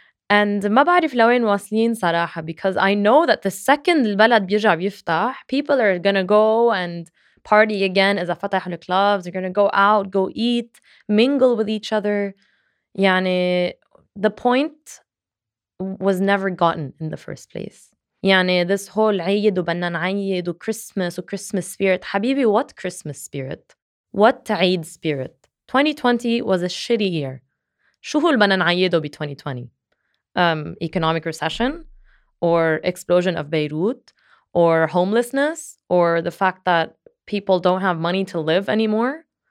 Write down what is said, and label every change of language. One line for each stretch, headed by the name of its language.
English: And
Arabic: ما بعرف لوين واصلين صراحة,
English: because I know that the second
Arabic: البلد بيرجع بيفتح,
English: people are going to go and party again,
Arabic: إذا فتح الكلاب,
English: they're going to go out, go eat, mingle with each other.
Arabic: يعني,
English: the point was never gotten in the first place.
Arabic: يعني,
English: this whole
Arabic: عيد وبدنا نعيد
English: وChristmas وChristmas spirit.
Arabic: حبيبي,
English: what Christmas spirit? What عيد spirit? 2020 was a shitty year.
Arabic: شو هو بدنا نعيده ب
English: 2020? Economic recession? Or explosion of Beirut? Or homelessness? Or the fact that people don't have money to live anymore?